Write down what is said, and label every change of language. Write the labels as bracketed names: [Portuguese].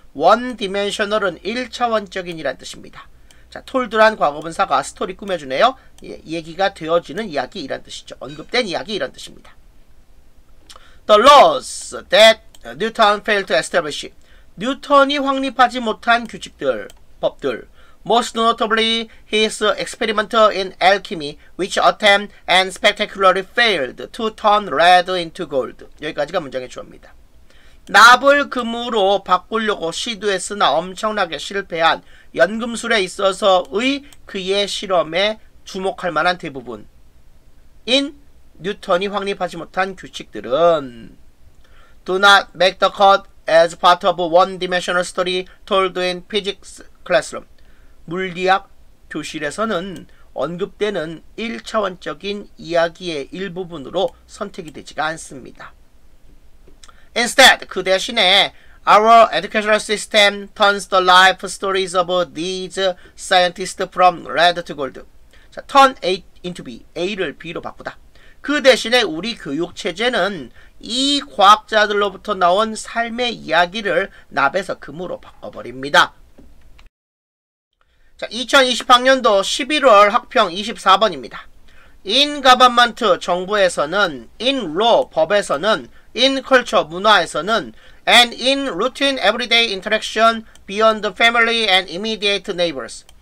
[Korean] 원디멘셔널은 1차원적인이란 뜻입니다. 자, 톨드란 과거분사가 스토리 꾸며주네요. 예, 얘기가 되어지는 이야기 이란 뜻이죠. 언급된 이야기 이란 뜻입니다. [English] The laws that Newton failed to establish. [Korean] 뉴턴이 확립하지 못한 규칙들, 법들. [English] Most notably, his experiment in alchemy, which attempt and spectacularly failed to turn red into gold. [Korean] 여기까지가 문장의 주어입니다. 납을 금으로 바꾸려고 시도했으나 엄청나게 실패한 연금술에 있어서의 그의 실험에 주목할 만한 대부분인 뉴턴이 확립하지 못한 규칙들은 [English] Do not make the cut as part of one-dimensional story told in physics classroom. [Korean] 물리학 교실에서는 언급되는 1차원적인 이야기의 일부분으로 선택이 되지가 않습니다. [English] Instead, [Korean] 그 대신에 [English] our educational system turns the life stories of these scientists from red to gold. [Korean] 자, [English] turn A into B. [Korean] A를 B로 바꾸다. 그 대신에 우리 교육체제는 이 과학자들로부터 나온 삶의 이야기를 납에서 금으로 바꿔버립니다. 자, 2020학년도 11월 학평 24번입니다. [English] In government, [Korean] 정부에서는, [English] in law, [Korean] 법에서는, [English] In culture, [Korean] 문화에서는, [English] and in routine everyday interaction beyond family and immediate neighbors.